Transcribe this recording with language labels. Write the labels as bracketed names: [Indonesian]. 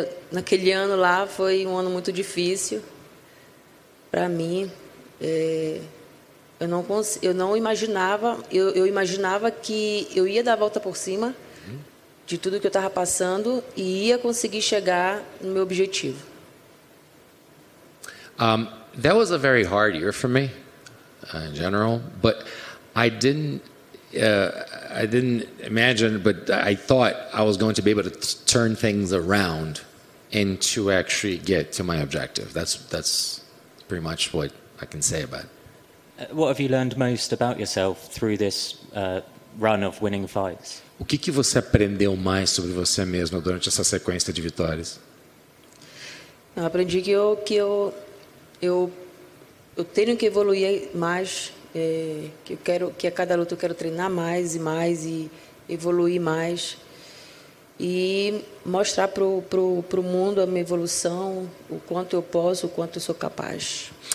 [Portuguese] Naquele ano lá foi um ano muito difícil. Para mim, eu imaginava que eu ia dar a volta por cima de tudo que eu estava passando e ia conseguir chegar no meu objetivo. [English] That was a very hard year for me, in general, but I didn't imagine, but I thought I was going to be able to turn things around and to actually get to my objective. That's pretty much what I can say about it. What have you learned most about yourself through this run of winning fights? [Portuguese] O que você aprendeu mais sobre você mesmo durante essa sequência de vitórias? Eu aprendi que eu tenho que evoluir mais, que eu quero que a cada luta eu quero treinar mais e mais e evoluir mais e mostrar pro mundo a minha evolução, o quanto eu posso, o quanto eu sou capaz.